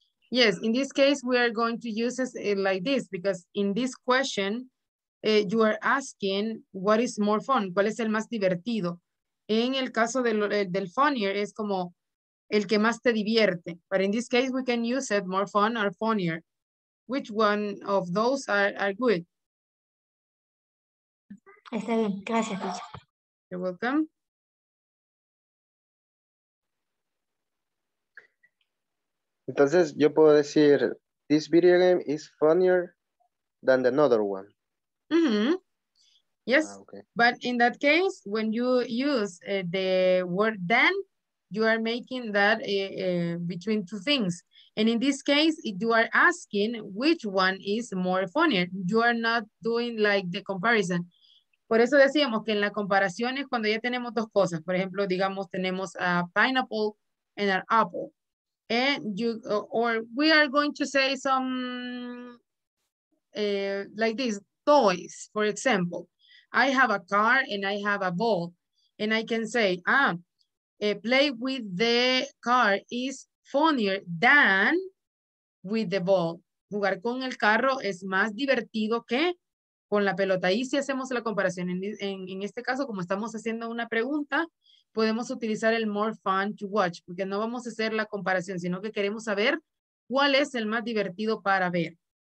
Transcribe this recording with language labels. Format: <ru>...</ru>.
<en>Yes, in this case, we are going to use it like this, because in this question, you are asking, what is more fun?</en> <es>¿Cuál es el más divertido? En el caso del funnier, es como el que más te divierte.</es> <en>But in this case, we can use it, more fun or funnier. Which one of those are good?</en> <es>Está bien, gracias, teacher.</es> <en>You're welcome.</en> <es>Entonces, yo puedo decir,</es> <en>this video game is funnier than the other one. Mm-hmm. Yes, ah, okay. But in that case, when you use the word than, you are making that between two things. And in this case, you are asking which one is more funnier. You are not doing like the comparison.</en> <es>Por eso decíamos que en la comparación es cuando ya tenemos dos cosas. Por ejemplo, digamos, tenemos</es> <en>a pineapple and an apple. And you, or we are going to say some like this, toys, for example. I have a car and I have a ball. And I can say, play with the car is funnier than with the ball.</en> <es>Jugar con el carro es más divertido que con la pelota. Y si hacemos la comparación, en este caso, como estamos haciendo una pregunta, podemos utilizar el</es> <en>more fun to watch,</en> <es>porque no vamos a hacer la comparación, sino que queremos saber cuál es el más divertido para ver.</es>